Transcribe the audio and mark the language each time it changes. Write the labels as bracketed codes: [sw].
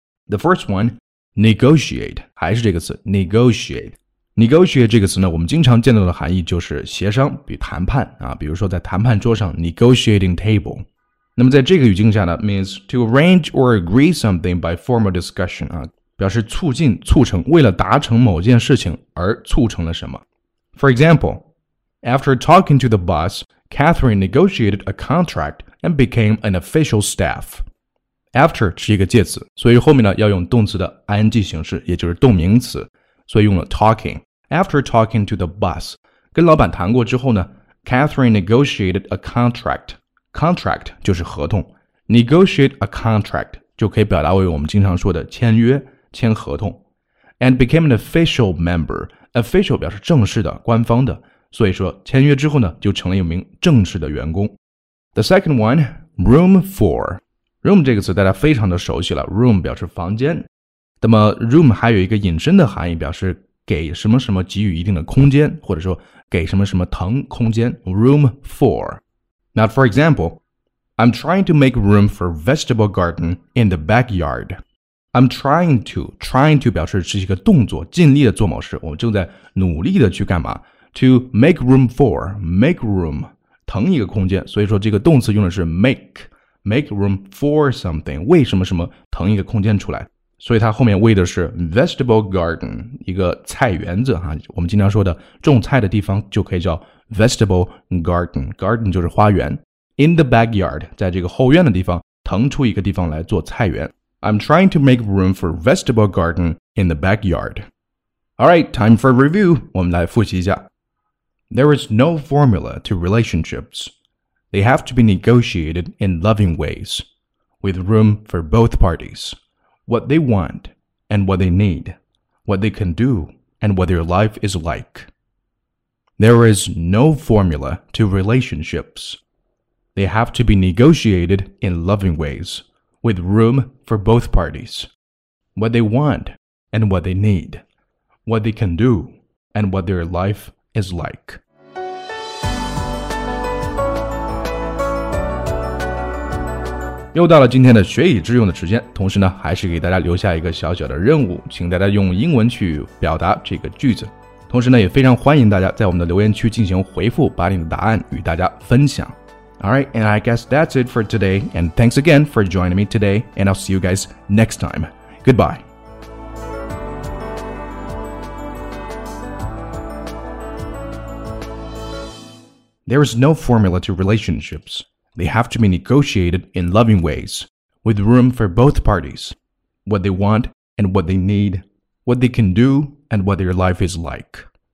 [zh] the first one negotiate 还是这个词 negotiate 这个词呢我们经常见到的含义就是协商比谈判啊，比如说在谈判桌上 negotiating table 那么在这个语境下呢 [en] means to arrange or agree something by formal discussion [zh] 啊，表示促进促成为了达成某件事情而促成了什么 [en] For example After talking to the boss Catherine negotiated a contract and became an official staff After [zh] 是一个介词所以后面呢要用动词的 ing 形式也就是动名词所以用了 [en] talking. After talking to the boss, [zh] 跟老板谈过之后呢 [en] Catherine negotiated a contract. [zh] Contract 就是合同。Negotiate a contract 就可以表达为我们经常说的签约、签合同。 [en] And became an official member. [zh] Official 表示正式的、官方的。所以说签约之后呢就成了一名正式的员工。 [en] The second one, room for. [zh] Room 这个词大家非常的熟悉了。Room 表示房间。那么 room 还有一个引申的含义表示给什么什么给予一定的空间或者说给什么什么腾空间 room for [en] Now for example I'm trying to make room for vegetable garden in the backyard [zh] I'm trying to 表示是一个动作尽力的做某事我正在努力的去干嘛 to make room for 腾一个空间，所以说这个动词用的是 make room for something， 为什么什么腾一个空间出来，所以它后面为的是 vegetable garden， 一个菜园子哈，我们经常说的种菜的地方就可以叫 vegetable garden， garden 就是花园。 [en] In the backyard， [zh] 在这个后院的地方腾出一个地方来做菜园。 [en] I'm trying to make room for vegetable garden in the backyard。 Alright, time for review， [zh] 我们来复习一下。 [en] There is no formula to relationships. They have to be negotiated in loving ways, with room for both parties. What they want and what they need, what they can do and what their life is like. There is no formula to relationships. They have to be negotiated in loving ways, with room for both parties. What they want and what they need, what they can do and what their life is like. [zh] 又到了今天的学以致用的时间，同时呢，还是给大家留下一个小小的任务，请大家用英文去表达这个句子。同时呢，也非常欢迎大家在我们的留言区进行回复，把你的答案与大家分享。 [en] All right, and I guess that's it for today. And thanks again for joining me today. And I'll see you guys next time. Goodbye. There is no formula to relationships. They have to be negotiated in loving ways, with room for both parties, what they want and what they need, what they can do and what their life is like.